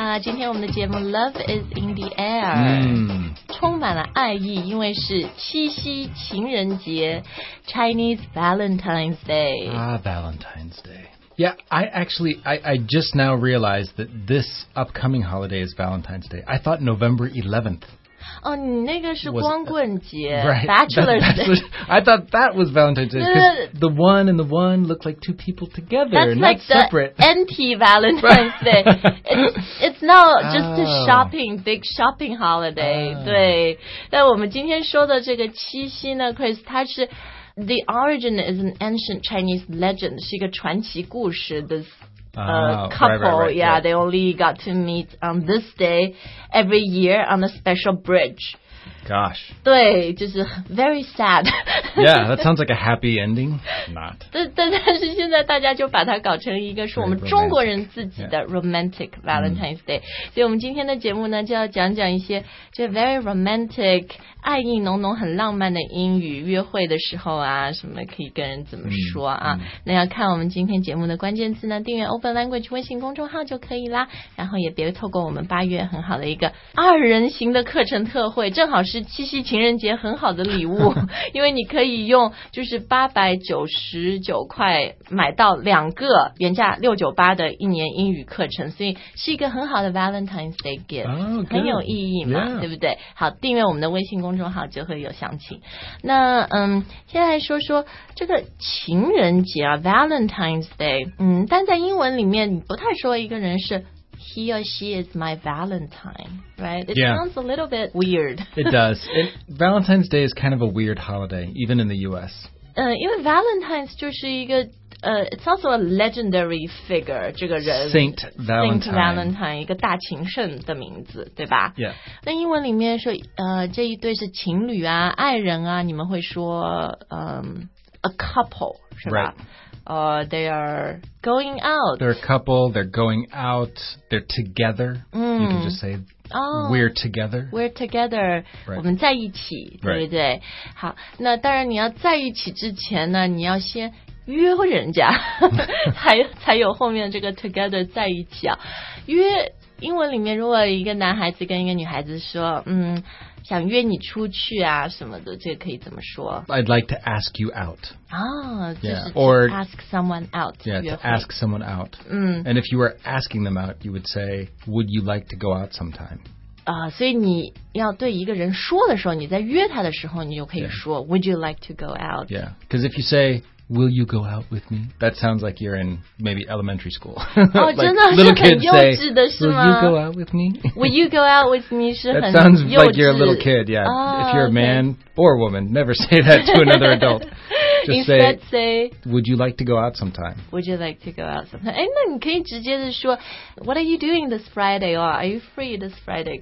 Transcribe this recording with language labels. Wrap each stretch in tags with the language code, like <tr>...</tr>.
<zh>今天我们的节目</zh> <en>Love is in the air。</en> <zh>充满了爱意，因为是七夕情人节 ，</zh> <en>Chinese Valentine's Day。 Valentine's Day。 Yeah, I just now realized that this upcoming holiday is Valentine's Day. I thought November 11th.</en> <zh>Oh, 你那个是光棍节</zh> <en>right, Bachelor's Day. I thought that was Valentine's Day. Because the one and the one look like two people together, not like separate. That's like the anti-Valentine's Day. It's not just a shopping, big shopping holiday.</en> <zh>对。但我们今天说的这个七夕呢 Chris, 它是</zh> <en>The origin is an ancient Chinese legend,</en> <zh>是一个传奇故事</zh> <en>this couple, right. They only got to meet on this day every year on a special bridge. Gosh.</en> <zh>对,就是</zh> <en>very sad. Yeah, that sounds like a happy ending. Not.</en> <zh>但是现在大家就把它搞成一个是我们中国人自己的</zh> <en>romantic Valentine's Day.</en> <zh>所以我们今天的节目呢就要讲讲一些就</zh> <en>very romantic,</en> <zh>爱意浓浓很浪漫的英语约会的时候啊什么可以跟人怎么说啊、那要看我们今天节目的关键字呢订阅 Open Language 微信公众号就可以啦然后也别错过我们八月很好的一个二人行的课程特惠正好是七夕情人节很好的礼物因为你可以用就是899块买到两个原价698的一年英语课程所以是一个很好的</zh> <en>Valentine's Day gift、 oh, okay.</en> <zh>很有意义嘛、</zh> <en>yeah.</en> <zh>对不对好订阅我们的微信公众号就会有详情那现在说说这个情人节啊 Valentine's Day 但在英文里面你不太说一个人是</zh> <en>He or she is my Valentine Right? It、 yeah. sounds a little bit weird It does Valentine's Day is kind of a weird holiday Even in the US</en> <zh>因为 Valentine's 就是一个</zh> <en>it's also a legendary figure,</en> <zh>这个人</zh> <en>Saint Valentine.</en> <zh>Saint Valentine, 一个大情圣的名字对吧</zh> <en>Yeah.</en> <zh>那英文里面说这一对是情侣啊爱人啊你们会说</zh> <en>a couple,</en> <zh>是吧</zh> <en>Right. They are going out. They're a couple, they're going out, they're together.、You can just say,we're together. We're together.、 Right.</en> <zh>我们在一起对不对、</zh> <en>right.</en> <zh>好那当然你要在一起之前呢你要先约人家才有后面这个 together 在一起啊约英文里面如果一个男孩子跟一个女孩子说想约你出去啊什么的这个可以怎么说</zh> <en>I'd like to ask you out 啊、 yeah. Or ask someone out yeah, to ask someone out and if you were asking them out you would say would you like to go out sometime</en> <zh>所以你要对一个人说的时候你在约他的时候你就可以说、</zh> <en>yeah. would you like to go out yeah because if you sayWill you go out with me? That sounds like you're in maybe elementary school.</en> <zh>Oh, like, 真的是很幼稚的是吗</zh> <en>Will you go out with me? Will you go out with me?</en> <zh>是很幼稚</zh> <en>That sounds like you're a little kid, yeah.、 Oh, If you're a man、 okay. or a woman, never say that to another adult. Just Instead, say, would you like to go out sometime? Would you like to go out sometime?</en> <zh>那你可以直接的说</zh> <en>what are you doing this Friday? Or are you free this Friday?</en>